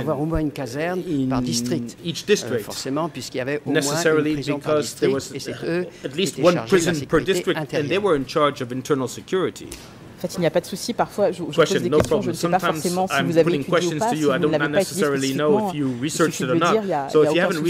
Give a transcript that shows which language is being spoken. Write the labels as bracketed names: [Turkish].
[French] Il y avait au moins une caserne par district. [English] Each district. [French] Forcément, puisqu'il y avait au moins une prison par district. [English] Because there was at least one prison per district, intérieure. And they were in charge of internal security. [French] En fait, il n'y a pas de souci. Parfois, je pose des questions, je ne sais pas forcément si vous avez étudié ou pas, si vous ne l'avez pas étudié spécifiquement. Il suffit de le dire, il n'y a aucun souci.